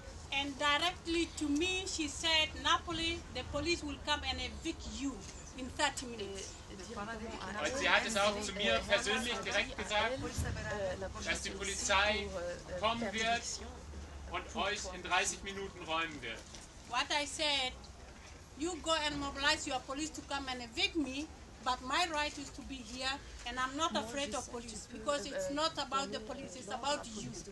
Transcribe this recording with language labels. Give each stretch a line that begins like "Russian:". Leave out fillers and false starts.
English: And directly to me, she said, Napoli, the police will come and evict you in 30 minutes.
German: Und sie hat es auch zu mir persönlich direkt gesagt, dass die Polizei kommen wird und euch in 30 Minuten räumen wird.
English: What I said, you go and mobilize your police to come and evict me, but my right is to be here, and I'm not afraid of police, because it's not about the police, it's about you.